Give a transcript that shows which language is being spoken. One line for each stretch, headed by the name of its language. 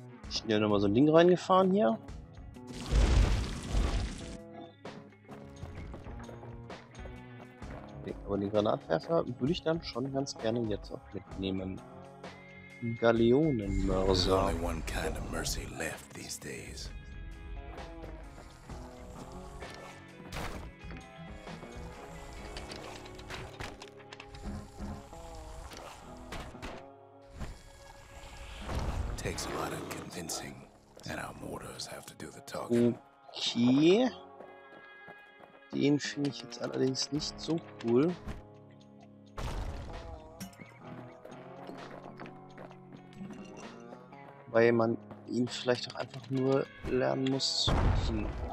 German: Schnell nochmal so ein Ding reingefahren hier. Aber den Granatwerfer würde ich dann schon ganz gerne jetzt auch mitnehmen. Galeonenmörser.
English: There's only one kind of mercy left these days. Takes a lot of convincing, and our mortars have to do the talking. Okay.
German: Den finde ich jetzt allerdings nicht so cool. Weil man ihn vielleicht auch einfach nur lernen muss zu bedienen.